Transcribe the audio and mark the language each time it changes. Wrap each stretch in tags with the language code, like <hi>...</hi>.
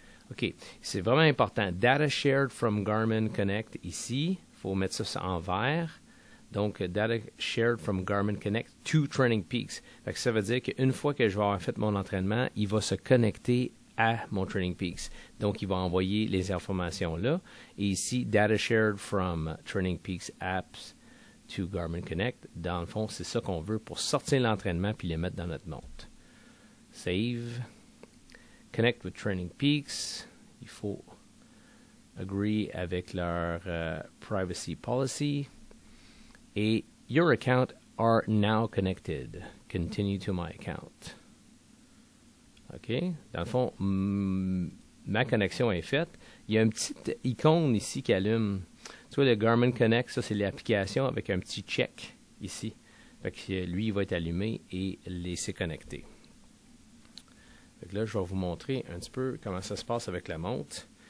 <fr>OK, c'est vraiment important.</fr> <en>Data shared from Garmin Connect</en> <fr>ici. Il faut mettre ça en vert. Donc,</fr> <en>data shared from Garmin Connect to Training Peaks.</en> <fr>Fait que ça veut dire qu'une fois que je vais avoir fait mon entraînement, il va se connecter à mon Training Peaks. Donc, il va envoyer les informations là. Et ici,</fr> <en>data shared from Training Peaks apps to Garmin Connect.</en> <fr>Dans le fond, c'est ça qu'on veut pour sortir l'entraînement puis le mettre dans notre montre.</fr> <en>Save. Connect with Training Peaks.</en> <fr>Il faut agree avec leur</fr> <en>privacy policy. Et your account are now connected. Continue to my account. OK.</en> <fr>Dans le fond, ma connexion est faite. Il y a une petite icône ici qui allume. Tu vois, le Garmin Connect, ça, c'est l'application avec un petit check ici. Fait que lui, il va être allumé et laissé connecter. Fait que là, je vais vous montrer un petit peu comment ça se passe avec la montre.</fr>